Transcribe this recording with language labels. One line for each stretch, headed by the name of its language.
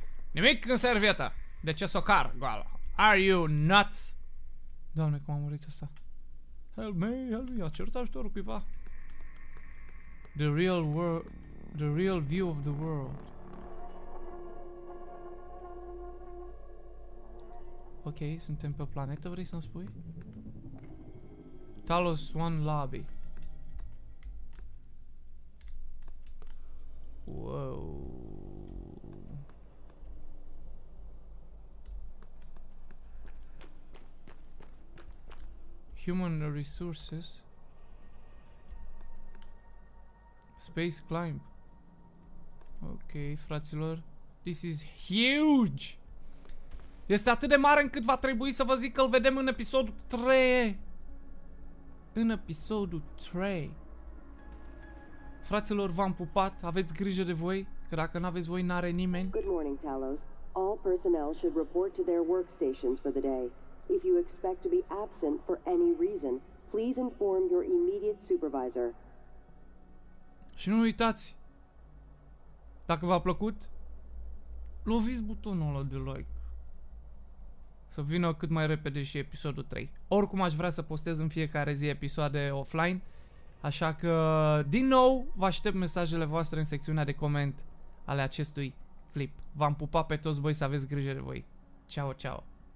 Romanian: Nimic în servietă! De ce socar goală?
English: Are you nuts?
Romanian: Doamne, cum a murit ăsta?
English: Help me, help me,
Romanian: a cerut ajutorul cuiva.
English: The real world, the real view of the world.
Romanian: Ok, suntem pe planetă, vrei să-mi spui?
English: Talos One Lobby. Wow. Human resources. Space climb.
Romanian: Ok, fraților.
English: This is huge!
Romanian: Este atât de mare încât va trebui să vă zic că îl vedem în episodul 3. În episodul 3. Fraților, v-am pupat. Aveți grijă de voi, că dacă n-aveți voi, n-are nimeni.
English: Good morning, Talos. All personnel should report to their workstations for the day. If you expect to be absent for any reason, please inform your immediate supervisor.
Romanian: Și nu uitați. Dacă v-a plăcut, loviți butonul ăla de like. Să vină cât mai repede și episodul 3. Oricum aș vrea să postez în fiecare zi episoade offline. Așa că, din nou, vă aștept mesajele voastre în secțiunea de coment ale acestui clip. V-am pupat pe toți voi, să aveți grijă de voi. Ciao, ciao.